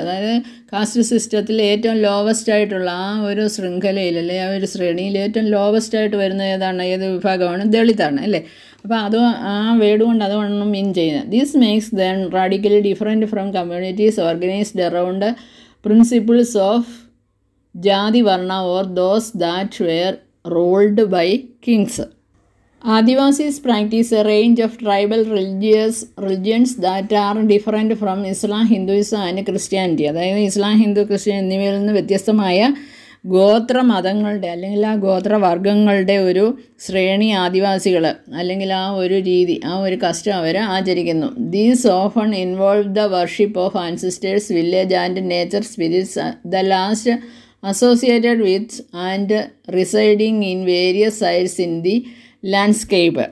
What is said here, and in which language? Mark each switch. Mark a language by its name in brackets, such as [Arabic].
[Malayalam] അതായത് കാസ്റ്റ് സിസ്റ്റത്തിൽ ഏറ്റവും ലോവസ്റ്റ് ആയിട്ടുള്ള ആ ഒരു ശൃംഖലയിൽ അല്ലെ ആ ഒരു ശ്രേണിയിൽ ഏറ്റവും ലോവസ്റ്റ് ആയിട്ട് വരുന്ന ഏതാണ്, ഏത് വിഭാഗമാണ്? ദളിതാണ് അല്ലേ. അപ്പോൾ അത് ആ വേർഡ് കൊണ്ട് അതുകൊണ്ട് മീൻ ചെയ്യുന്നത് [English] This makes them radically different from communities organized around principles of jati varna or those that were ruled by kings. Adivasis practice a range of tribal religions that are different from Islam, Hinduism and Christianity. [Malayalam] അതായത് ഇസ്ലാം, Hindu, Christian എന്നിവയിൽ നിന്ന് വ്യത്യസ്തമായ ഗോത്രമതങ്ങളുടെ അല്ലെങ്കിൽ ആ ഗോത്രവർഗങ്ങളുടെ ഒരു ശ്രേണി ആദിവാസികൾ അല്ലെങ്കിൽ ആ ഒരു രീതി, ആ ഒരു കസ്റ്റം അവർ ആചരിക്കുന്നു. [English] These often involve the worship of ancestors, village and nature spirits, the last associated with and residing in various sites in the landscape.